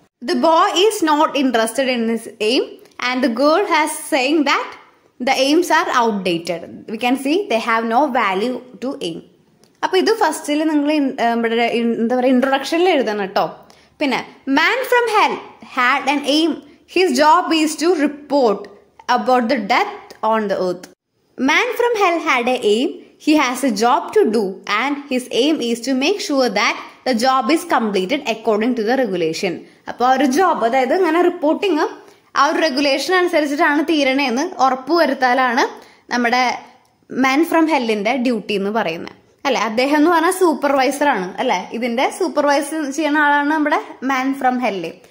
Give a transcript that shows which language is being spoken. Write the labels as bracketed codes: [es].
[en] The boy is not interested in this aim and the girl has saying that the aims are outdated we can see they have no value to aim. [ml] അപ്പൊ ഇത് ഫസ്റ്റിൽ നിങ്ങൾ എന്താ പറയുക ഇൻട്രൊഡക്ഷനിൽ എഴുതണം കേട്ടോ. [en] പിന്നെ man from hell had an aim his job is to report about the death on the earth. Man from hell had a aim. He has a job to do and his aim is to make sure that the job is completed according to the regulation. [ml] അപ്പോൾ ആ ഒരു job, അതായത് ഇങ്ങനെ reporting ആ ഒരു regulation അനുസരിച്ചിട്ടാണ് തീരണേന്ന് ഉറപ്പുവരുത്താലാണ് നമ്മുടെ man from ഹെല്ലിന്റെ duty എന്ന് പറയുന്നത് അല്ലെ. അദ്ദേഹം എന്ന് പറഞ്ഞാൽ സൂപ്പർവൈസറാണ് അല്ലെ, ഇതിന്റെ സൂപ്പർവൈസർ ചെയ്യുന്ന ആളാണ് നമ്മുടെ മാൻ ഫ്രം ഹെല്ല്.